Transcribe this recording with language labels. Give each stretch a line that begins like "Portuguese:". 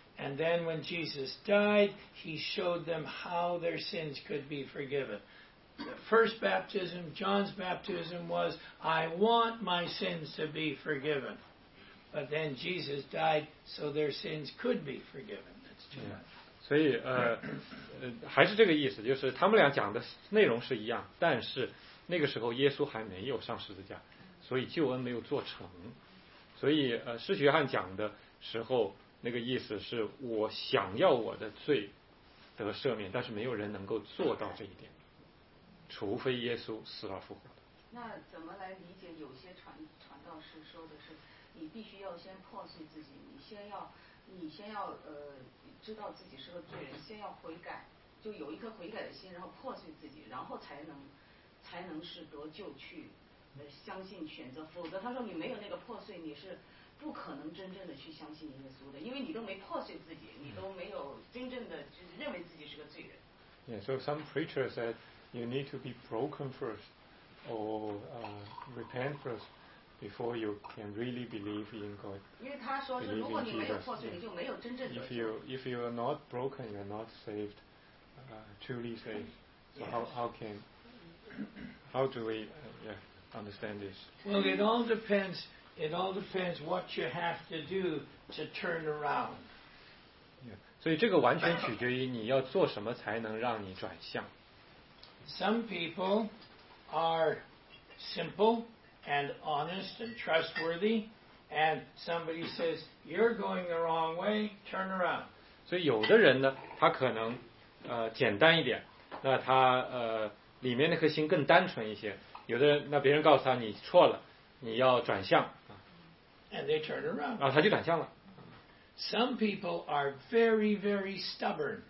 English: And then when Jesus died, he showed them how their sins could be forgiven. The first baptism, John's baptism, was, I want my sins to be forgiven. But then Jesus died so their sins could be forgiven. That's too much.
Chinese: 所以还是这个意思，就是他们俩讲的内容是一样，但是那个时候耶稣还没有上十字架，所以救恩没有做成，所以施洗约翰讲的时候那个意思是我想要我的罪得赦免，但是没有人能够做到这一点，除非耶稣死而复活。那怎么来理解有些传道师说的是你必须要先破碎自己，你先要知道自己是个罪人，先要悔改，就有一颗悔改的心，然后破碎自己，然后才能是得救去相信选择，否则他说你没有那个破碎，你是不可能真正的去相信耶稣的，因为你都没破碎自己，你都没有真正的就是认为自己是个罪人。
English: Yeah, so some preachers said you need to be broken first or repent first before you can really believe in God.
Chinese: 因为他说是如果你没有破碎，你就没有真正的。
English: If you are not broken, you are not saved, truly saved. So how do we understand this? Well, it all depends what you have to do to turn around. Yeah.
Chinese: 所以这个完全取决于你要做什么才能让你转向。
English: Some people are simple and honest and trustworthy, and somebody says, "You're going the wrong way. Turn around."
Chinese: 所以有的人呢，他可能简单一点，那他里面那颗心更单纯一些，有的人那别人告诉他你错了，你要转向啊。
English: And they turn around.
Chinese: 啊，他就转向了。
English: Some people are very, very stubborn.